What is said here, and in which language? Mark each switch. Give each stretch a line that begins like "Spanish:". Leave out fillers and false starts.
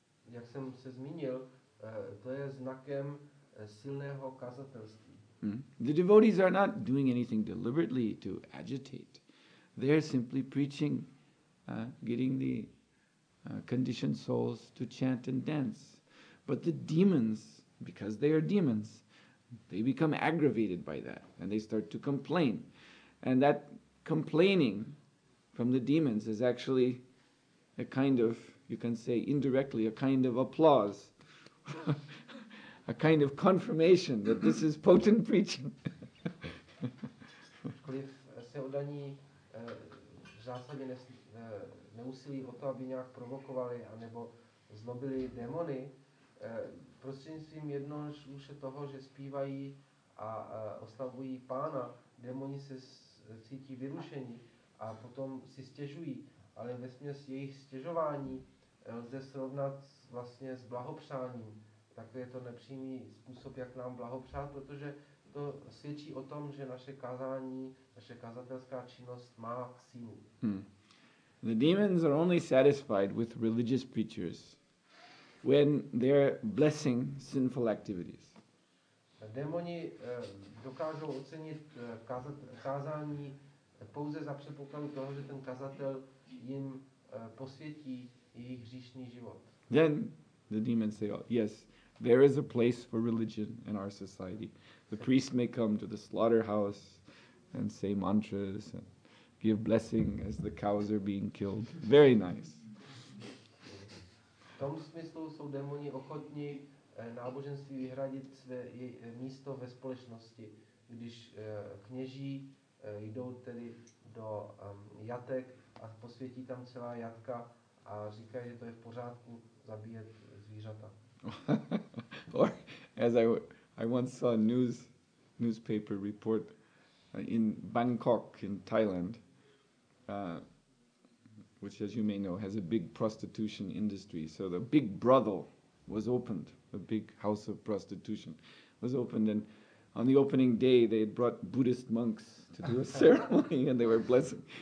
Czech: Jak jsem se zmínil, to je znakem silného kazatelství.
English: The devotees are not doing anything deliberately to agitate. They are simply preaching, getting the conditioned souls to chant and dance. But the demons, because they are demons, they become aggravated by that and they start to complain. And that complaining from the demons is actually a kind of, you can say indirectly, a kind of applause, a kind of confirmation that this is potent preaching.
Czech: Kliv se oddaní v zásadě neusilí o to, aby nějak provokovali anebo zlobili démony, prostřednictvím jednoduše toho, že zpívají a oslavují pána, démoni se cítí vyrušení a potom si stěžují, ale vesměs jejich stěžování lze srovnat vlastně s blahopřáním. Tak je to nepřímý způsob, jak nám blahopřát, protože to svědčí o tom, že naše kázání, naše kazatelská činnost má sílu.
English: The demons are only satisfied with religious preachers when they're blessing sinful activities.
Czech: Démoni dokážou ocenit kázání pouze za předpokladu toho, že ten kazatel jim posvětí jejich hříšný život.
English: Then the demons say, oh, yes, there is a place for religion in our society. The priest may come to the slaughterhouse and say mantras and give blessing as the cows are being killed. Very nice.
Czech: V tom smyslu jsou démoni ochotní náboženství vyhradit své místo ve společnosti, když kněží jdou tedy do jatek a posvětí tam celá jatka a říkají, že to je v pořádku zabíjet zvířata.
English: Or as I once saw a newspaper report in Bangkok in Thailand, which as you may know has a big prostitution industry, so the big brothel was opened. A big house of prostitution was opened, and on the opening day they had brought Buddhist monks to do a ceremony and they were blessing.